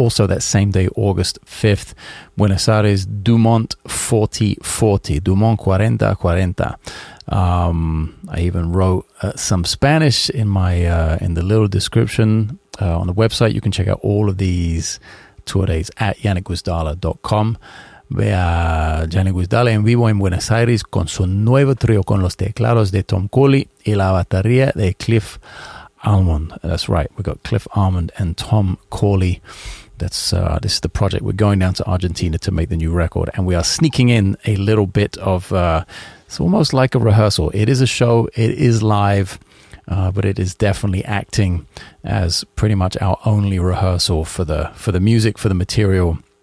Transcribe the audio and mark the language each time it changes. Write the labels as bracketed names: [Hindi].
[English] Also that same day, August 5th, Buenos Aires, Dumont 4040. Dumont 4040. I even wrote some Spanish in my in the little description on the website. You can check out all of these tour dates at yannickguzdala.com. [Spanish] Vea Yannick Guzdala en vivo en Buenos Aires con su nuevo trio con los teclados de Tom Cooley y la batería de Cliff Almond. [English] That's right, we've got Cliff Almond and Tom Cooley. This is the project. We're going down to Argentina to make the new record, and we are sneaking in a little bit of it's almost like a rehearsal. It is a show, it is live, but it is definitely acting as pretty much our only rehearsal for the music, for the material.